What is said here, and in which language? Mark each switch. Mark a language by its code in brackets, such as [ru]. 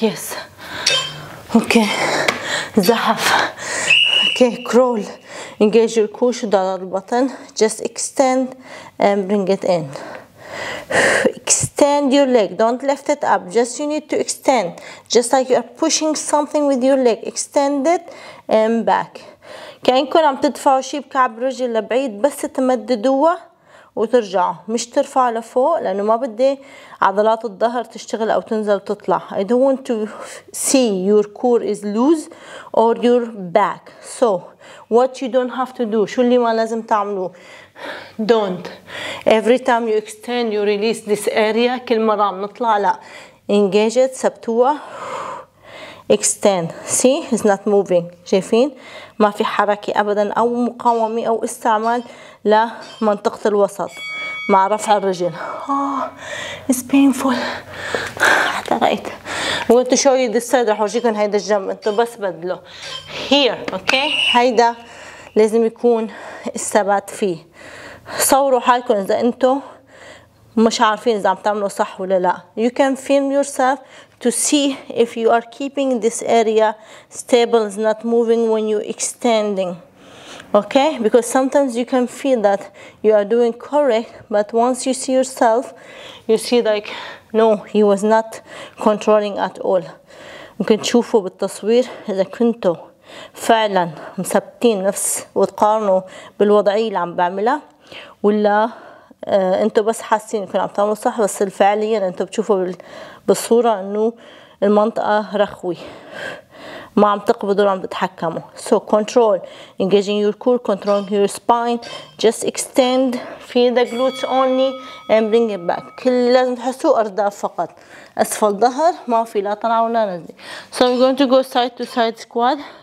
[en] Yes. Okay. زحف. Okay. Crawl. Engage your core, shoulder, the button. Just extend and bring it in. Extend your leg. Don't lift it up. Just you need to extend. Just like you are pushing something with your leg. Extend it and back. [ar] كأنكم عم تدفعوا شيء بكعب الرجل لبعيد بس تمددوها وترجع مش ترفع لفوق لأنه ما بدي عضلات الظهر تشتغل أو تنزل تطلع. [en] I don't want to see your core is loose or your back. So what you don't have to do, [ar] شو اللي ما لازم تعملوه. [en] Don't every time you extend you release this area. [ar] كل مرة عم نطلع لا. [en] Engage it. [ar] سبتوها. [en] Extend. See it's not moving. [ar] شايفين ما في حركة أبدا أو مقاومة أو استعمال لا منطقة الوسط مع رفع الرجل. [en] It's painful. [ar] حتى رأيت. [en] I'm going to show you this side. [ar] رح أورجيكم هيدا الجنب. أنتوا بس بدلوا. [en] Here. Okay. [ar] هيدا لازم يكون الثبات فيه. صوروا حالكم إذا أنتوا مش عارفين إذا عم تعملوا صح ولا لا. [en] You can film yourself to see if you are keeping this area stable, is not moving when you extending. Okay, because sometimes you can feel that you are doing correct, but once you see yourself, you see like, no, he was not controlling at all. [ar] ممكن تشوفوا بالتصوير إذا كنتوا فعلا مثبتين نفس وتقارنوا بالوضعية اللي عم بعملها ولا انتوا بس حاسين انكم عم تعملوا صح بس فعليا انتوا بتشوفوا بالصورة انه المنطقة رخوي. ما عم تقبضوا ولا عم تتحكموا. [en] So control. Engaging your core, controlling your spine. Just extend. Feel the glutes only and bring it back. [ar] كل اللي لازم تحسوا أرداف فقط. أسفل ظهر ما في لا طلع ولا نزل. [en] So we're going to go side to side squat.